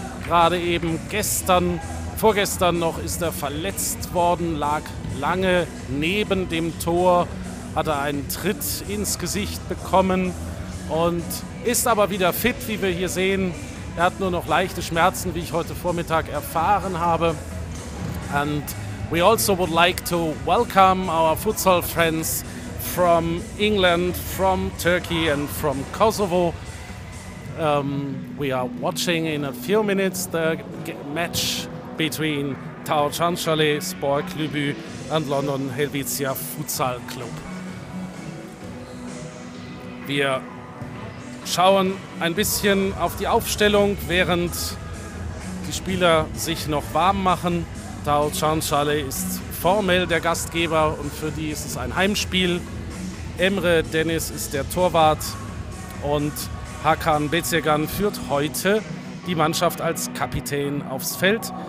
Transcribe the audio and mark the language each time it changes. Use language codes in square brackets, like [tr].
[de] Gerade eben vorgestern noch ist er verletzt worden, lag lange neben dem Tor, hatte einen Tritt ins Gesicht bekommen und ist aber wieder fit, wie wir hier sehen. Er hat nur noch leichte Schmerzen, wie ich heute Vormittag erfahren habe. [en] And we also would like to welcome our futsal friends from England, from Turkey and from Kosovo. We are watching in a few minutes the match between Tau Çanakkale Spor Lübü and London Helvetia Futsal Club. [de] Wir schauen ein bisschen auf die Aufstellung, während die Spieler sich noch warm machen. Tau Çanakkale ist formell der Gastgeber und für die ist es ein Heimspiel. Emre Deniz ist der Torwart und Hakan Becegan führt heute die Mannschaft als Kapitän aufs Feld.